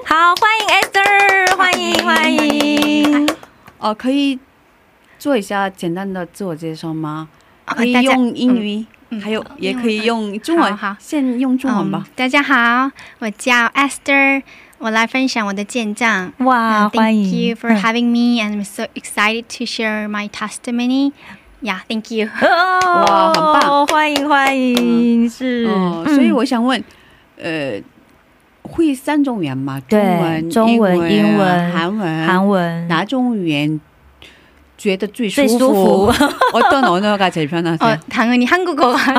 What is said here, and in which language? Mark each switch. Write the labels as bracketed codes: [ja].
[zh] 好，欢迎 Esther， 欢迎欢迎。可以做一下简单的自我介绍吗？可以用英语，还有也可以用中文。好，先用中文吧。大家好，我叫 Esther， 我来分享我的见证。哇，欢迎。 [en] Thank you for having me, and I'm so excited to share my testimony. Yeah, thank you. [zh] 哇，很棒，欢迎欢迎。是，所以我想问，会三种语言吗？中文、中文、英文、韩文、韩文，哪种语言觉得最舒服？最舒服 [ko] 어떤언어가제일편하세요？ 당연히한국어。